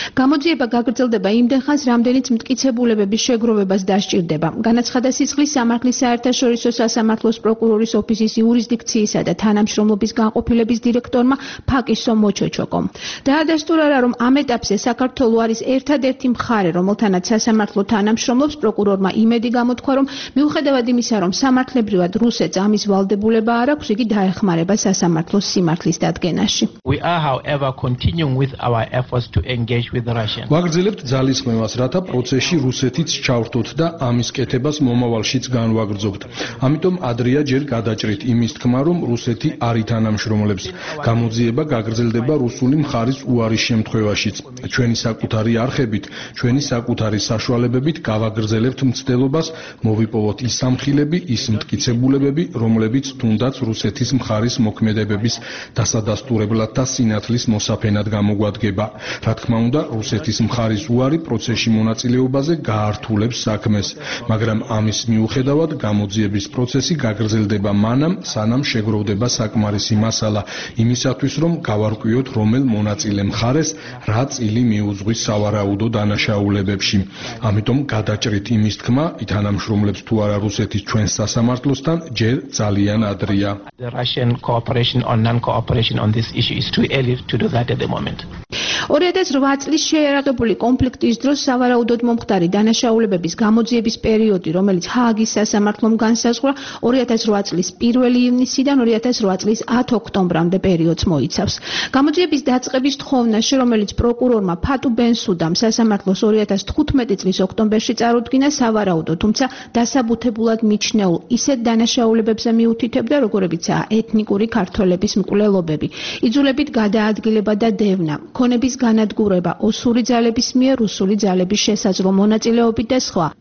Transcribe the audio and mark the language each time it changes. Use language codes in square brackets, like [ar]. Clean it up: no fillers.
[ka] გამოძიება გაგრძელდება იმდენხანს, რამდენიც მტკიცებულებების შეგროვებას დასჭირდება, განაცხადა სისხლის სამართლის საერთაშორისო სასამართლოს პროკურორის ოფისის იურისდიქციისა და თანამშრომლობის განყოფილების დირექტორმა ფაკისო მოჩოჩოკომ. დაადასტურა რა, რომ ამ ეტაპზე საქართველო არის ერთადერთი მხარე, რომელთანაც სასამართლო თანამშრომლობს. პროკურორმა იმედი გამოთქვა, რომ მიუხედავად იმისა, რომ სამართლებრივად რუსეთს ამის ვალდებულება არ აქვს, იგი დაეხმარება სასამართლოს სიმართლის დადგენაში. [en] However, continuing with our efforts to engage with Russia. [ka] ვაგრძელებთ ძალისხმევას, რათა პროცესში რუსეთიც ჩავრთოთ და ამის კეთებას მომავალშიც განვაგრძობთ. ამიტომ ადრია ჯერ გადაჭრით იმის თქმა, რომ რუსეთი არ ითანამშრომლებს. გამოძიება გაგრძელდება რუსული მხარის უარის შემთხვევაშიც. ჩვენი საკუთარი არხებით, ჩვენი საკუთარი საშუალებებით გავაგრძელებთ მცდელობას, მოვიპოვოთ ის სამხილები, ის მტკიცებულებები, რომლებიც თუნდაც რუსეთის მხარის მოქმედებების დასადასტურებლად და სინათლის მოსაფენად გამოგვადგება. რა თქმა უნდა, რუსეთის მხარის უარი პროცესში მონაწილეობაზე გაართულებს საქმეს, მაგრამ ამის მიუხედავად გამოძიების პროცესი გაგრძელდება მანამ, სანამ შეგროვდება საკმარისი მასალა იმისათვის, რომ გავარკვიოთ, რომელ მონაწილე მხარეს რა წილი მიუძღვის სავარაუდო დანაშაულებებში. ამიტომ გადაჭრით იმის თქმა, ითანამშრომლებს თუ არა რუსეთის ჩვენს სასამართლოსთან, ჯერ ძალიან ადრია. [en] Issue is too early to do that at the moment. [ka] 2008 წლის შეერაღებული კონფლიქტის დროს სავარაუდოდ მომხდარი დანაშაულებების გამოძიების პერიოდი, რომელიც ჰააგის სასამართლომ განსაზღვრა, 2008 წლის 1 ივნისიდან 2008 წლის 10 ოქტომბრამდე პერიოდს მოიცავს. გამოძიების დაწყების თხოვნაში, რომელიც პროკურორმა ფატუ ბენსუდამ სასამართლოს 2015 წლის ოქტომბერში წარუდგინა, სავარაუდოდ, თუმცა დასაბუთებულად მიჩნეულ ისეთ დანაშაულებებზე მიუთითებდა, როგორებიცაა ეთნიკური ქართველების მკვლელობები, იძულებით გადაადგილება და დევნა, ქონების განადგურება, ოსური ძალების მიერ რუსული ძალების შესაძლო მონაწილეობით და სხვა.